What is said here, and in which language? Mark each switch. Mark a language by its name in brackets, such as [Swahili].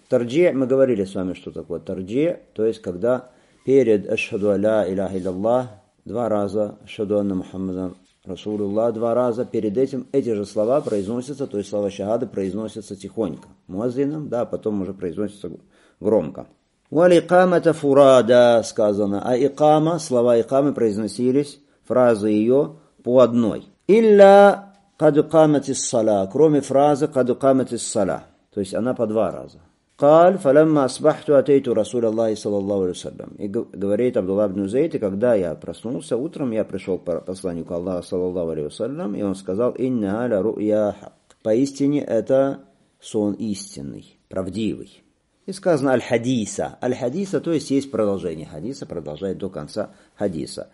[Russian] Тарджи'а, мы говорили с вами, что такое тарджи'а, то есть когда перед [Arabic] «Ашхаду аля иляхи лаллах» [Russian] 2 раза, [Arabic] «Ашхаду анна Мухаммадан Расулуллах» [Russian] 2 раза, перед этим эти же слова произносятся, то есть слова шахады произносятся тихонько, муаззином, да, потом уже произносятся громко. [Arabic] «Валикамата фурада» [Russian] сказано, а «икама», слова «икамы» произносились, фразы ее по одной. [Arabic] «Илля кадукаматис сала», [Russian] кроме фразы [Arabic] «кадукаматис сала». [Russian] То есть она по 2 раза. [Arabic] قال فلما أصبحت أتيت رسول الله صلى الله عليه وسلم. [Russian] И говорит Абдулла ибн Зейд, когда я проснулся утром, я пришел к посланнику Аллаха [Arabic] صلى الله عليه وسلم, [Russian] и он сказал [Arabic] إنها لرؤيا حق. [Russian] Поистине это сон истинный, правдивый. И сказано аль-хадиса. Аль-хадиса, то есть есть продолжение хадиса, продолжает до конца хадиса.